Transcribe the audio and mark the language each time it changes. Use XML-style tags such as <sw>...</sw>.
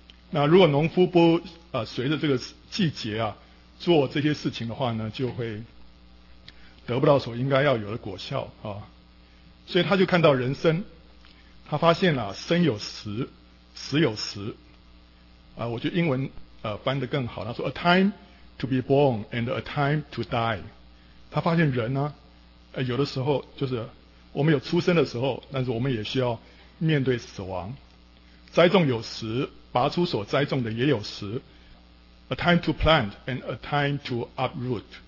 <zh>那如果农夫不随着这个季节啊做这些事情的话呢，就会得不到所应该要有的果效啊。所以他就看到人生，他发现了生有时，死有时啊。我觉得英文翻得更好，他说</zh> <en>a time to be born and a time to die。</en> <zh>他发现人呢，有的时候就是我们有出生的时候，但是我们也需要面对死亡。栽种有时，拔出所栽种的也有时。</zh> <en>A time to plant and a time to uproot。</en>